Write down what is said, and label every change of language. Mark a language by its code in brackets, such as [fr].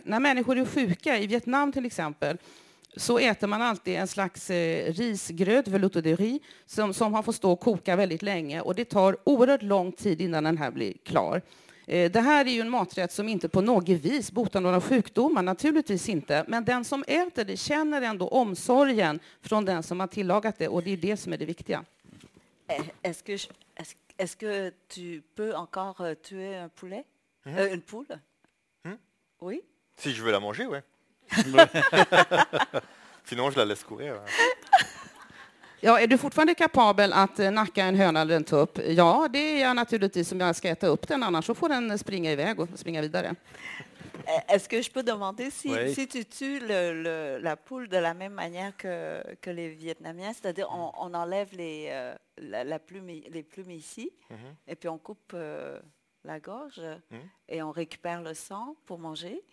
[sv] När människor är sjuka i Vietnam till exempel så äter man alltid en slags risgröd, velouté de riz, som har fått stå och koka väldigt länge, och det tar oerhört lång tid innan den här blir klar. Det här är ju en maträtt som inte på något vis botar några sjukdomar, naturligtvis inte. Men den som äter det känner ändå omsorgen från den som har tillagat det, och det är det som är det viktiga. [fr] Est-ce que tu peux encore tuer un poulet? Une poule? Oui. Si je veux la manger, ouais. Sinon je la laisse courir. [sv] Ja, är du fortfarande kapabel att nacka en höna eller en tupp? Ja, det är jag naturligtvis, som jag ska äta upp den, annars så får den springa iväg och springa vidare. [fr] Est-ce que je peux demander si tu tues la poule de la même manière que les Vietnamiens, c'est-à-dire on enlève les plumes ici et puis on coupe la gorge et on récupère le sang pour manger.